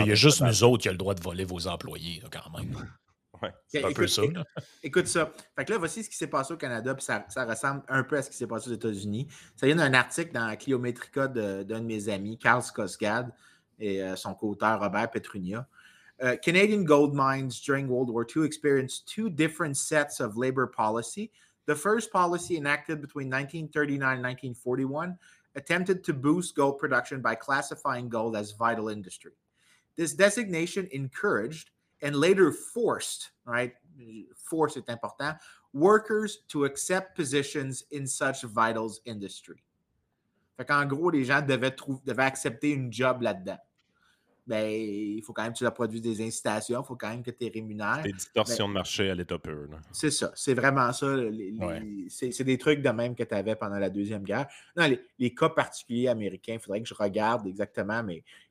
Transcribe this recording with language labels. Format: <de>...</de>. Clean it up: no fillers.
<fr>Il y a juste nous autres qui a le droit de voler vos employés, là, quand même. Écoute ça. Fait que là, voici ce qui s'est passé au Canada, puis ça ressemble un peu à ce qui s'est passé aux États-Unis. Ça vient d'un article dans Cliometrica d'un de mes amis, Carl Skosgad, et son co-auteur Robert Petrunia.</fr> <en>Canadian gold mines during World War II experienced two different sets of labor policy. The first policy enacted between 1939 and 1941 attempted to boost gold production by classifying gold as vital industry. This designation encouraged and later forced, right,</en> <fr>force est important,</fr> <en>workers to accept positions in such vital industry.</en> <fr>Fait qu'en gros, les gens devaient accepter une job là-dedans. Ben, il faut quand même que tu leur produises des incitations, il faut quand même que tu les rémunères. Des distorsions de marché à l'état pur. Là. C'est ça, c'est vraiment ça. C'est des trucs de même que tu avais pendant la Deuxième Guerre. Non, les cas particuliers américains, il faudrait que je regarde exactement, mais...</fr>